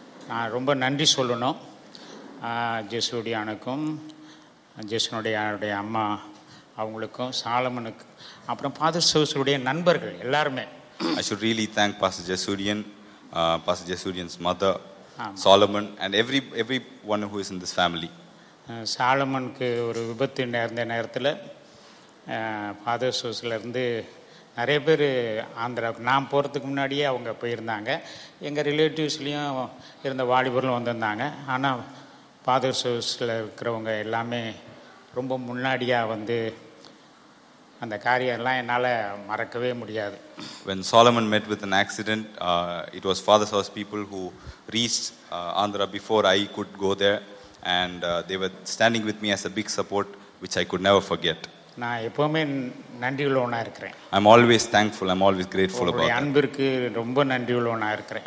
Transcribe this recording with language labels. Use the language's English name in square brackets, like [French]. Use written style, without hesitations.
[Tamil] நான் ரொம்ப நன்றி சொல்லணும் ஜெசுடியானுக்கும், ஜெசுனுடைய அம்மா அவங்களுக்கும், சாலமனுக்கு, அப்புறம் ஃபாதர் சர்வ்ஸுடைய நண்பர்கள் எல்லாருமே. [English] I should really thank Pastor Jesudian, Pastor Jesudian's mother, Solomon, and everyone who is in this family. [Tamil] சாலமனுக்கு ஒரு விபத்து நேர்ந்த நேரத்தில் ஃபாதர் சர்வ்ஸ்லேருந்து நிறைய பேர் ஆந்திராவுக்கு, நான் போகிறதுக்கு முன்னாடியே அவங்க போயிருந்தாங்க, எங்கள் ரிலேட்டிவ்ஸ்லேயும் இருந்த வாலிபர்களும் வந்திருந்தாங்க. ஆனால் ஃபாதர் சர்வ்ஸில் இருக்கிறவங்க எல்லாமே ரொம்ப முன்னாடியாக வந்து அந்த காரியம்லாம் என்னால் மறக்கவே முடியாது. [English] When Solomon met with an accident, it was Father Sauce's people who reached Andhra before I could go there, and they were standing with me as a big support, which I could never forget. [Tamil] நான் எப்பவுமே நன்றி உள்ளவனாக இருக்கிறேன். [English] I'm always thankful, I'm always grateful about that. [Tamil] அன்பிற்கு ரொம்ப நன்றி உள்ளவனாக இருக்கிறேன்.